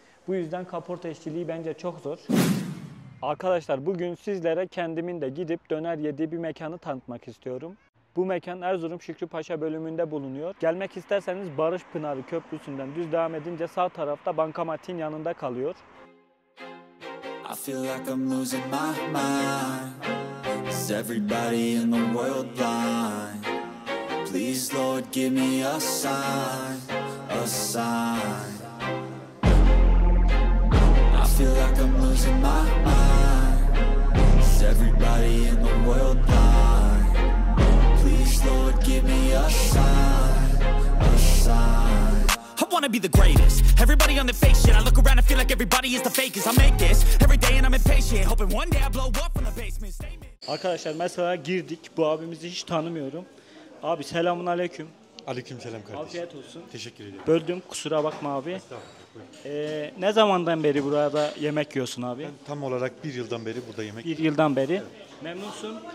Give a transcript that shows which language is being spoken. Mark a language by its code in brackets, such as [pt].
[tr] Bu yüzden kaporta işçiliği bence çok zor. Arkadaşlar bugün sizlere kendimin de gidip döner yediği bir mekanı tanıtmak istiyorum. Bu mekan Erzurum Şükrü Paşa bölümünde bulunuyor. Gelmek isterseniz Barış Pınarı Köprüsü'nden düz devam edince sağ tarafta bankamatin yanında kalıyor. [en] I feel like I'm losing my mind. Is everybody in the world blind? Please Lord give me a sign. A sign. I feel like I'm losing my mind. Is everybody in the world blind? Lord, give me a sign, a sign. I wanna be the greatest. Everybody on the fake shit. I look around and feel like everybody is the fakest. I make this every day and I'm impatient, hoping one day I blow up from the basement. [tr] Arkadaşlar mesela girdik. Bu abimizi hiç tanımıyorum. Abi selamun aleyküm. Aleyküm selam kardeşim. Afiyet olsun. Teşekkür ederim. Böldüm, kusura bakma abi. Estağfurullah. Ne zamandan beri burada yemek yiyorsun abi? Ben tam olarak bir yıldan beri burada yemek yiyorum. Bir yıldan beri. Evet. Memnunsun?